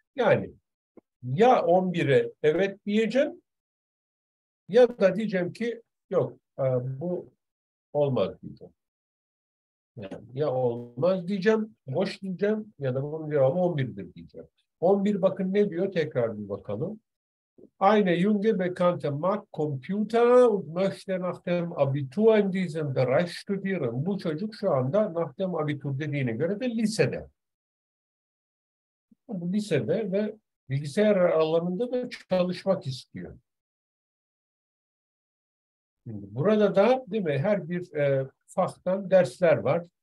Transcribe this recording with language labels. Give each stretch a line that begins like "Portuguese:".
Turkish: Yani ya 11'e evet diyeceğim ya da diyeceğim ki yok, bu olmaz diyeceğim. Yani ya olmaz diyeceğim, boş diyeceğim ya da bunun cevabı 11'dir diyeceğim. 11 bakın ne diyor, tekrar bir bakalım.
German: Eine junge bekannte mag Computer und möchte nach dem Abitur in diesem Bereich studieren.
Turkish: Bu çocuk şu anda
German: nach dem Abitur
Turkish: dediğine göre de lisede. Bu lisede ve bilgisayar alanında da çalışmak istiyor. Burada da değil mi? Her bir faktan dersler var.